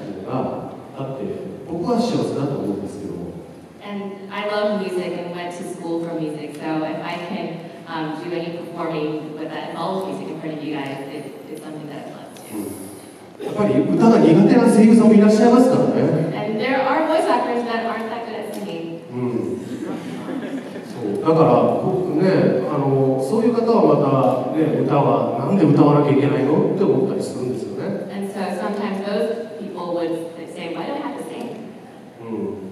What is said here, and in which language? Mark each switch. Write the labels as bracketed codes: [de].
[ja] でも僕は音楽が大好きだったので、先ほども言いましたけど、音楽大学に通いましたので、何か音楽で皆さんの前で披露できることがあればっていう、機会があって、僕は幸せだと思うんですけど。 [en] And I love music and went to school for music, so if I can do any performing with that involved music in front of you guys, it's something that I'd love to do. [ja] やっぱり歌が苦手な声優さんもいらっしゃいますからね。 [en] And there are voice actors that aren't that good at singing. [ja] そうだから僕ね、そういう方はまたね、歌はなんで歌わなきゃいけないのって思ったりするんですよね。 [en] And so sometimes those people would say, why do I have to sing?